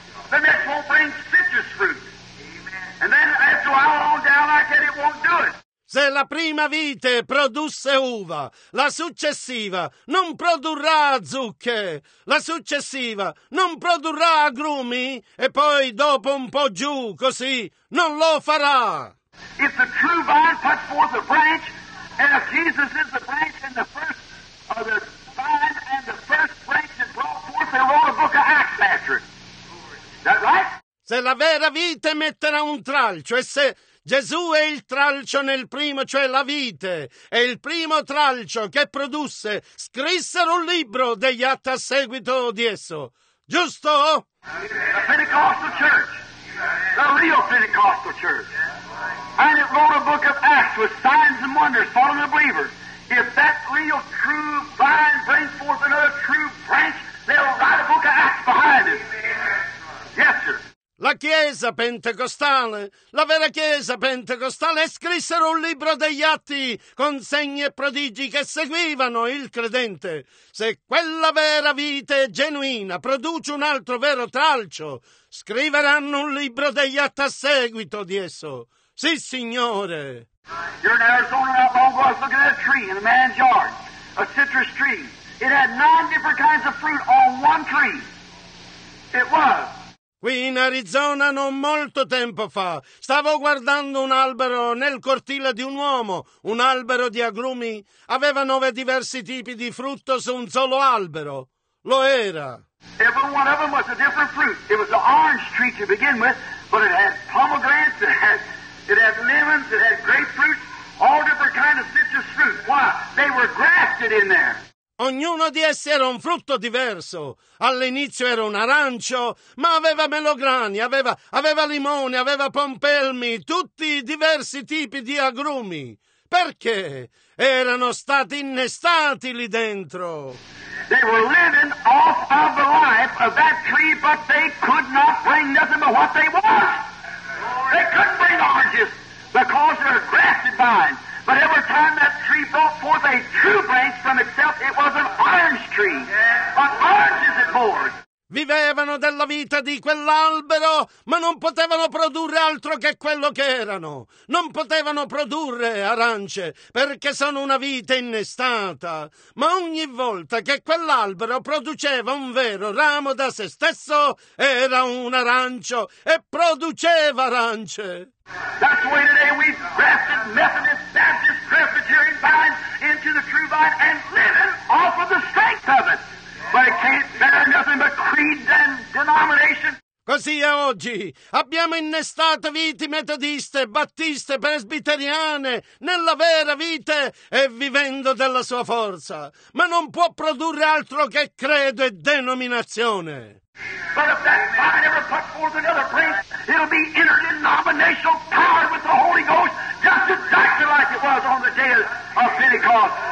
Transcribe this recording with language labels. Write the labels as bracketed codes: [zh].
[en] The next won't bring citrus fruit. And then after a while, all down like that, it won't do it. [it] Se la prima vite produsse uva, la successiva non produrrà zucche, la successiva non produrrà agrumi, e poi dopo un po' giù, così, non lo farà. [en] If the true vine puts forth a branch, and if Jesus is the branch, and the first of the vine, and the first branch that brought forth, they wrote a book of Acts after it. Is that right? [it] Se la vera vite metterà un tralcio, e se Gesù è il tralcio nel primo, cioè la vite, e il primo tralcio che produsse, scrissero un libro degli atti a seguito di esso. giusto? [en] The Pentecostal Church. The real Pentecostal Church. And it wrote a book of Acts with signs and wonders following the believers. If that real true vine brings forth another true branch, they'll write a book of Acts behind it. Yes, sir. [it] La Chiesa Pentecostale, la vera Chiesa Pentecostale, scrissero un libro degli atti con segni e prodigi che seguivano il credente. Se quella vera vite genuina produce un altro vero tralcio, scriveranno un libro degli atti a seguito di esso. Sì, signore! [en] You're in Arizona, not long ago, I was looking at a tree in a man's yard, a citrus tree. It had 9 different kinds of fruit on one tree. It was. [it] Qui in Arizona non molto tempo fa stavo guardando un albero nel cortile di un uomo, un albero di agrumi, aveva 9 diversi tipi di frutto su un solo albero. Lo era. [en] Every one of them was a different fruit. It was the orange tree to begin with, but it had pomegranates, it had lemons, it had grapefruit, all different kinds of citrus fruit. Why? They were grafted in there. [it] Ognuno di essi era un frutto diverso. All'inizio era un arancio, ma aveva melograni, aveva limone, aveva pompelmi, tutti diversi tipi di agrumi. Perché? Erano stati innestati lì dentro. [en] They were living off of the life of that tree, but they could not bring nothing but what they want. They couldn't bring oranges because they're grafted vines. But every time that tree brought forth a true branch from itself, it was an orange tree. An orange is it bore. [it] Vivevano della vita di quell'albero, ma non potevano produrre altro che quello che erano. Non potevano produrre arance, perché sono una vite innestata. Ma ogni volta che quell'albero produceva un vero ramo da se stesso, era un arancio e produceva arance. [en] That's the way today we grafted Methodist, Baptist, Presbyterian vines into the true vine and living off of the strength of it. But it can't bear nothing but creed and denomination. [it] Così è oggi. Abbiamo innestato viti metodiste, battiste, presbiteriane nella vera vite e vivendo della sua forza. Ma non può produrre altro che credo e denominazione. [en] But if that vine ever put forth another branch, it'll be interdenominational power with the Holy Ghost, just exactly like it was on the day of Pentecost.